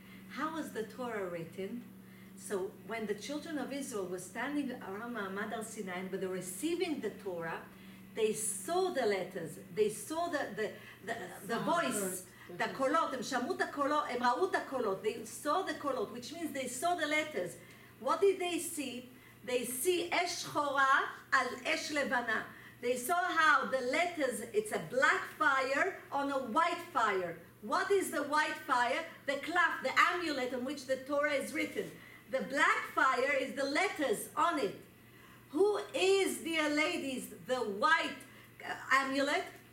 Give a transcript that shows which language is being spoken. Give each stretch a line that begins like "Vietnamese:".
English: How was the Torah written? So when the children of Israel were standing around Ma'amad Har Sinai, but they were receiving the Torah, they saw the letters, they saw the voice, the kolot,
Hebrew: הם שמעו את הקולות, הם ראו את הקולות,
English: they saw the kolot, which means they saw the letters. What did they see? They see
Hebrew: אש שחורה על אש לבנה.
English: They saw how the letters, it's a black fire on a white fire. What is the white fire? The klaf, the amulet on which the Torah is written. The black fire is the letters on it. Who is, dear ladies, the white amulet?